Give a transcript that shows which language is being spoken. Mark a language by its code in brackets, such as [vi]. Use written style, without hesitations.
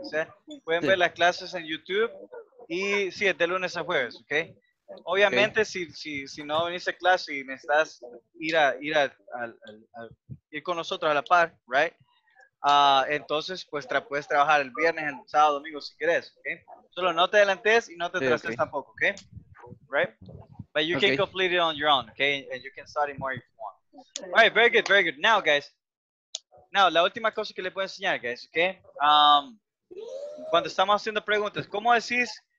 [es] O sea, pueden ver las clases en YouTube. Y sí, es de lunes a jueves, ¿ok? Obviamente, okay. Si no venís a clase y necesitas ir con nosotros a la par, [en] right? [es] Entonces, pues puedes trabajar el viernes, el sábado, el domingo, si quieres, ¿ok? Solo no te adelantes y no te atrases tampoco, ¿ok? [en] Right? But you can complete it on your own, okay? And you can study more if you want. All right, very good, very good. Now, guys. Now, [es] la última cosa que le puedo enseñar, guys, okay? Cuando estamos haciendo preguntas, ¿cómo decís?